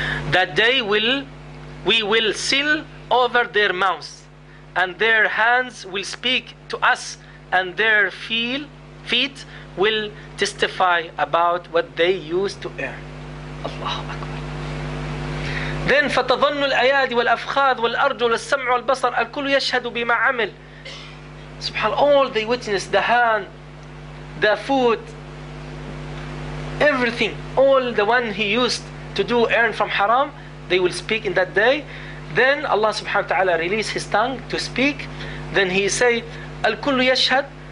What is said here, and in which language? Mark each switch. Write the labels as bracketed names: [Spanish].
[English] That day we will seal over their mouths, and their hands will speak to us, and their feet will testify about what they used to err. [Arabic] Allah Akbar. Then فتظن الأيادي والأفخاذ والأرجل والسمع والبصر الكل يشهد بما عمل. [English] Subhanallah, all they witness, the hand, the foot, everything, all the one he used to do earn from haram, they will speak in that day. Then Allah subhanahu wa ta'ala release his tongue to speak. Then he say, [Arabic] Al-kullu yashhad.